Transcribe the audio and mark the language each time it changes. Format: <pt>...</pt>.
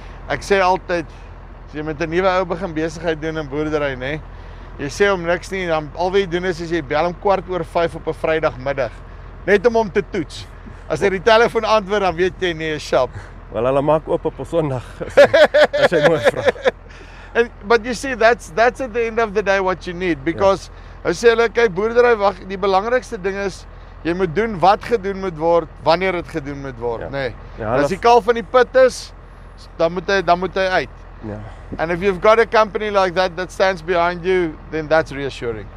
<af>Ek sê altyd as jy met 'n nuwe ou begin besigheid doen in boerdery, nê? Jy sê hom niks nie, dan al wat jy doen is jy bel hom 4:15 op 'n Vrydagmiddag. Net om hom te toets. As hy die telefoon antwoord, dan weet jy nie, sjap. Wel, hulle maak oop op 'n Sondag. As jy mooi vra.</af> <en>And but you see that's at the end of the day what you need because</en> <af>as jy hulle kyk boerdery wag, die belangrikste ding is jy moet doen wat gedoen moet word, wanneer dit gedoen moet word, ja. As die kalf in die put is, dan moet hy uit. Ja.</af> <en>And if you've got a company like that that stands behind you, then that's reassuring.</en>